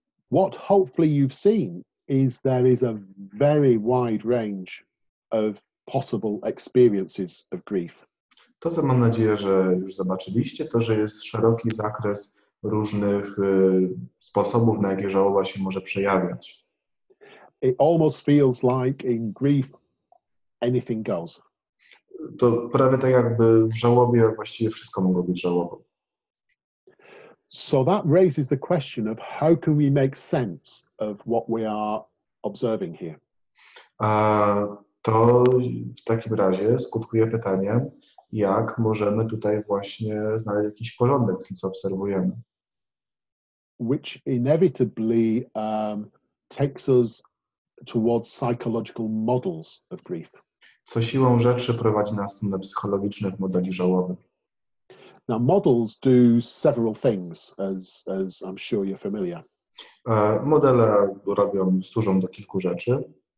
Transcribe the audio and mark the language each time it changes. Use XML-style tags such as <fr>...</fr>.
<en>What hopefully you've seen is there is a very wide range of possible experiences of grief.</en> <pl>To, co mam nadzieję, że już zobaczyliście, to, że jest szeroki zakres różnych sposobów, na jakie żałoba się może przejawiać.</pl> <en>It almost feels like in grief anything goes.</en> <pl>To prawie tak, jakby w żałobie właściwie wszystko mogło być żałobą.</pl> <en>So that raises the question of how can we make sense of what we are observing here.</en> <pl>To w takim razie skutkuje pytaniem, jak możemy tutaj właśnie znaleźć jakiś porządek w tym, co obserwujemy.</pl> <en>Which inevitably takes us towards psychological models of grief.</en> <pl>Co siłą rzeczy prowadzi nas do psychologicznych modeli żałoby.</pl> <en>Now models do several things, as I'm sure you're familiar.</en> <pl>Modele służą do kilku rzeczy.</pl>